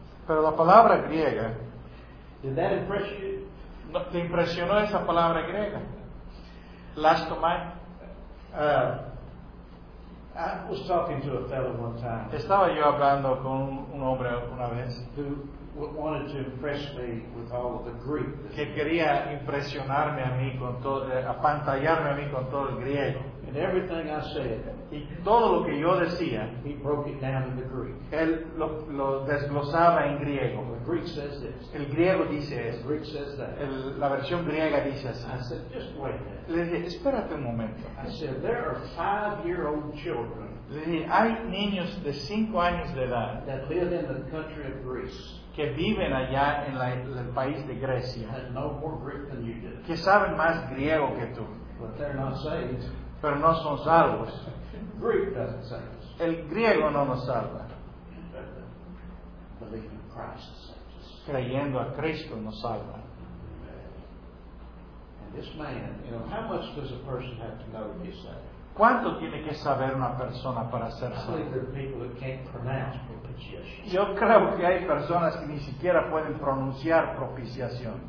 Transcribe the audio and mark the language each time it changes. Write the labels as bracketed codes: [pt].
[es] Pero la palabra griega. [en] Did that impress you? [es] No, ¿te impresionó esa palabra griega? [en] Last of my. I was talking to a fellow one time. [es] Estaba yo hablando con un hombre una vez. [en] Who wanted to impress me with all of the Greek. [es] Que quería impresionarme a mí con todo, apantallarme a mí con todo el griego. [en] And everything I said. [es] Y todo lo que yo decía. [en] He broke it down into Greek. [es] Él lo desglosaba en griego. [en] The Greek says this. [es] El griego dice esto. [en] The Greek says that. [es] La versión griega dice así. [en] I said, just wait. [es] Le dije, espérate un momento. [en] I said, there are 5-year-old children. [es] Le dije, hay niños de 5 años de edad. [en] That live in the country of Greece. [es] Que viven allá en el país de Grecia. [en] That know more Greek than you do. [es] Que saben más griego que tú. [en] But they're not saved. [es] Pero no son salvos. [en] Greek doesn't save us. [es] El griego no nos salva. [en] Believing in Christ saves us. [es] Creyendo a Cristo nos salva. [en] This man, you know, how much does a person have to know to be saved? [es] ¿Cuánto tiene que saber una persona para ser salvo? [en] I believe there are people that can't pronounce propitiation. [es] Yo creo que hay personas que ni siquiera pueden pronunciar propiciación.